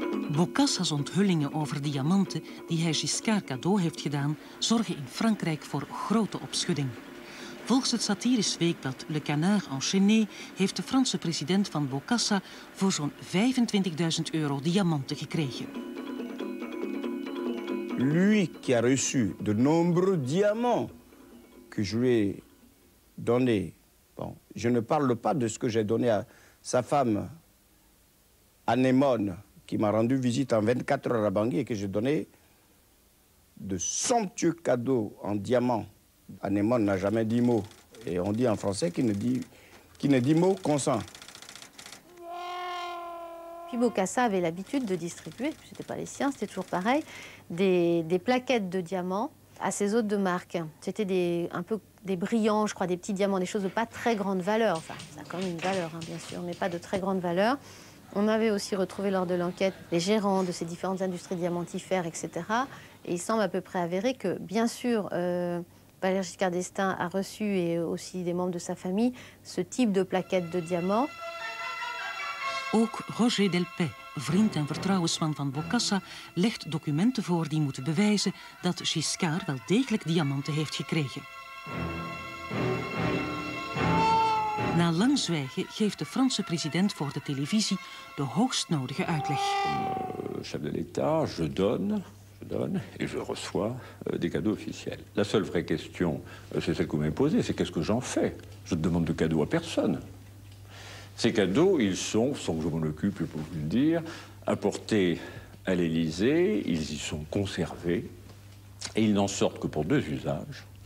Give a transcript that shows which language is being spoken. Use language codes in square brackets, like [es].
[nl] Bocassa's onthullingen over diamanten die hij Giscard cadeau heeft gedaan, zorgen in Frankrijk voor grote opschudding. Volgens het satirisch weekblad Le Canard Enchaîné heeft de Franse president van Bocassa voor zo'n 25.000 euro diamanten gekregen. [fr] Lui qui a reçu de nombreux diamants que je lui ai donné. Bon, je ne parle pas de ce que j'ai donné à sa femme Anémone qui m'a rendu visite en 24 heures à Bangui et que j'ai donné de somptueux cadeaux en diamants. Anémone n'a jamais dit mot. Et on dit en français qu'il ne dit mot consent. Puis Bocassa avait l'habitude de distribuer, ce n'était pas les siens, c'était toujours pareil, des plaquettes de diamants à ses hôtes de marque. C'était un peu des brillants, je crois, des petits diamants, des choses de pas très grande valeur. Enfin, ça a quand même une valeur, hein, bien sûr, mais pas de très grande valeur. On avait aussi retrouvé lors de l'enquête les gérants de ces différentes industries diamantifères, etc. Et il semble à peu près avéré que, bien sûr, Valéry Giscard d'Estaing a reçu, et aussi des membres de sa famille, ce type de plaquettes de diamants. [nl] Ook Roger Delpay, vriend en vertrouwensman van Bocassa, legt documenten voor die moeten bewijzen dat Giscard wel degelijk diamanten heeft gekregen. Na lang zwijgen geeft de Franse president voor de televisie de hoogst nodige uitleg. [fr] Chef de l'État, je donne et je reçois des cadeaux officiels. La seule vraie question, c'est celle que vous m'avez posée, c'est qu'est-ce que j'en fais? Je ne demande de cadeaux à personne. Ces cadeaux, ils sont, sans que je m'en occupe pour vous le dire, apportés à l'Élysée, ils y sont conservés et ils n'en sortent que pour deux usages.